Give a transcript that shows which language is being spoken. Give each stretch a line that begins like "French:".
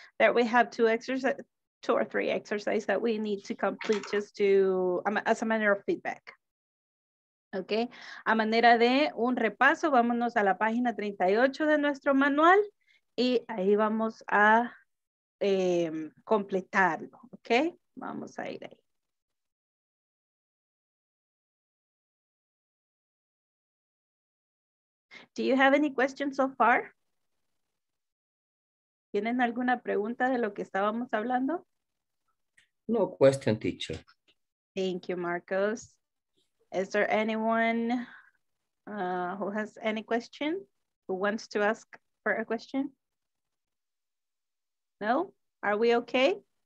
English: There we have two or three exercises that we need to complete just to, as a manner of feedback.
Spanish: Okay, a manera de un repaso, vámonos a la página 38 de nuestro manual y ahí vamos a completarlo, okay? Vamos a ir ahí.
English: Do you have any questions so far?
Spanish: ¿Tienen alguna pregunta de lo que estábamos hablando?
English: No question, teacher. Thank you, Marcos. Is there anyone who has any question, who wants to ask for a question? No? Are we okay?